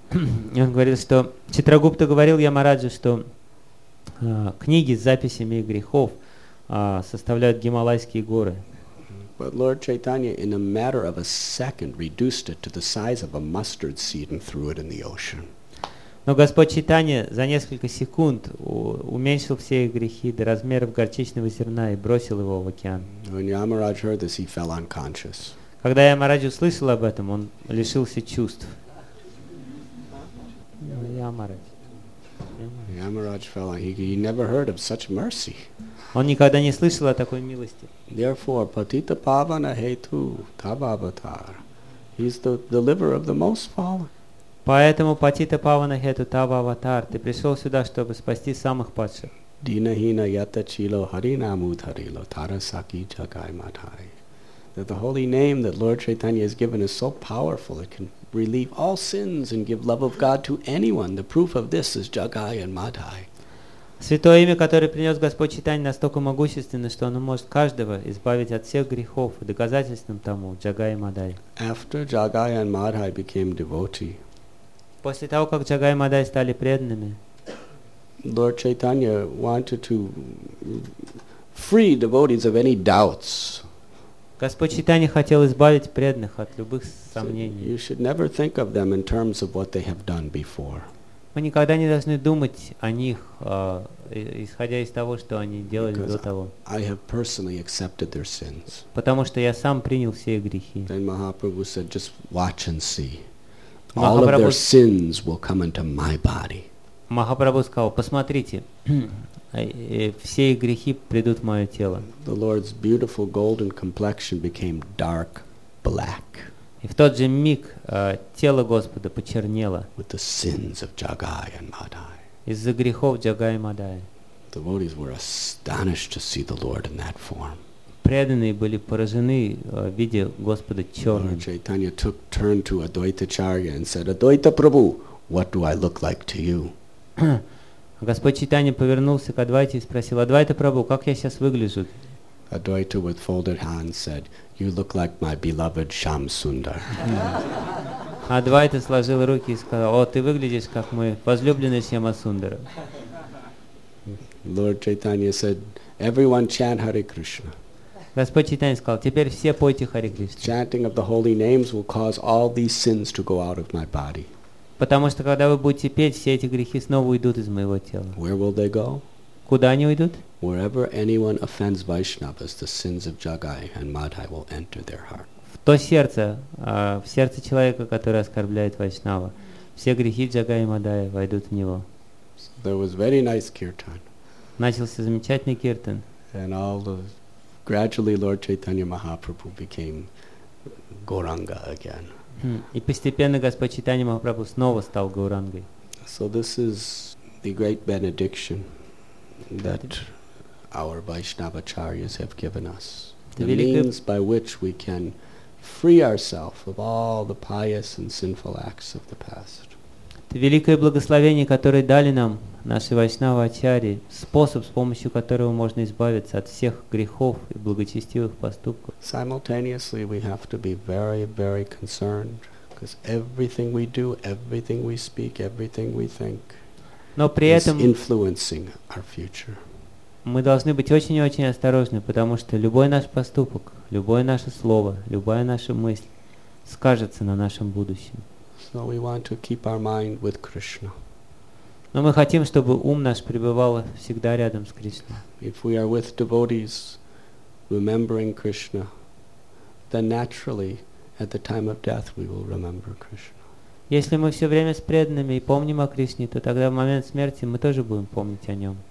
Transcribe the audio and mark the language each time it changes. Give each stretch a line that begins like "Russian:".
Russian: Он говорил, что Читрагупта говорил Ямараджу, что книги с записями грехов составляют Гималайские горы.
English: But Lord Chaitanya, in a matter of a second, reduced it to the size of a mustard seed and threw it in the ocean.
Russian: Но Господь Чайтанья за несколько секунд уменьшил все их грехи до размеров горчичного зерна и бросил его в океан.
English: When Yamaraj heard this, he fell unconscious.
Russian: Когда Ямарадж услышал об этом, он лишился чувств. Ямарадж.
English: Yamaraj fell on. He never heard of such mercy.
Russian: Он никогда не слышал о такой милости.
English: Therefore,
Bangla: patita pavana hetu tavavatar.
English: He's the deliverer of the most fallen.
Russian: Поэтому
Bangla: патита павана хету тава аватар,
Russian: ты пришел сюда, чтобы спасти самых падших.
Bangla: Динахина ята чило харинаму тарило тарасаки чакай матхари.
English: That the holy name that Lord Chaitanya has given is so powerful it can relieve all sins and give love of God to anyone. The proof of this is Jagai and Madhai.
Russian: Святое имя, которое принес Господь Чайтанья, настолько могущественно, что оно может каждого избавить от всех грехов, и доказательством тому Джагай и Мадай.
English: After Jagai and Madhai became devotee,
Russian: после того, как Джагай и Мадай стали преданными,
English: Lord Chaitanya wanted to free devotees of any doubts.
Russian: Господь Чайтанья хотел избавить преданных от любых сомнений.
English: You should never think of them in terms of what they have done before.
Russian: Мы никогда не должны думать о них, исходя из того, что они делали
English: Because
Russian: до того.
English: I have personally accepted their sins.
Russian: Потому что я сам принял все их грехи.
English: Then Mahaprabhu said, just watch and see. All of their sins will come into my body.
Russian: Махапрабху сказал, посмотрите, все их грехи придут в мое тело.
English: The Lord's beautiful golden complexion became dark black.
Russian: И в тот же миг тело Господа почернело.
English: With the sins of Jagai and Madai.
Russian: Из-за грехов Джагай и Мадай.
English: The devotees were astonished to see the Lord in that form.
Russian: Преданные были поражены, видя Господа черным.
English: Lord Chaitanya took turn to Advaita Charya and said, Advaita Prabhu, what do I look like to you?
Russian: Господь Чайтанья повернулся к Адвайте и спросил, Адвайта Прабху, как я сейчас выгляжу?
English: Advaita with folded hands said, you look like my beloved Shyam Sundar.
Russian: Адвайта сложил руки и сказал, о, ты выглядишь как мой возлюбленный Шьяма Сундара.
English: Lord Chaitanya said, everyone chant Hare Krishna.
Russian: Господь Чайтанья сказал, теперь все пойте Харе Кришна.
English: Chanting of the holy names will cause all these sins to go out of my body.
Russian: Потому что когда вы будете петь, все эти грехи снова уйдут из моего тела.
English: Where will they go?
Russian: Куда они уйдут?
English: Wherever anyone offends Vaishnavas, the sins of Jagai and Madhai will enter their heart.
Russian: В то сердце, в сердце человека, который оскорбляет Вайшнава, все грехи Джагая и Мадая войдут в него.
English: So there was very nice kirtan.
Russian: Начался замечательный киртан.
English: And all the gradually Lord Chaitanya Mahaprabhu became Gauranga again.
Russian: И постепенно Господь Чайтанья Махапрабху снова стал Гаурангой.
English: So this is the great benediction that our Vaishnavacharyas have given us. The means by which we can free ourselves of all the pious and sinful acts of the past.
Russian: Это великое благословение, которое дали нам наши Вайшнавы-ачарьи, способ, с помощью которого можно избавиться от всех грехов и благочестивых поступков.
English: Simultaneously, we have to be very, very concerned, because everything we do, everything we speak, everything we think is influencing our future.
Russian: Мы должны быть очень-очень осторожны, потому что любой наш поступок, любое наше слово, любая наша мысль скажется на нашем будущем.
English: So we want to keep our mind with Krishna.
Russian: Но мы хотим, чтобы ум наш пребывал всегда рядом с Кришной.
English: If we are with devotees, remembering Krishna, then naturally, at the time of death, we will remember Krishna.
Russian: Если мы все время с преданными и помним о Кришне, то тогда в момент смерти мы тоже будем помнить о нем.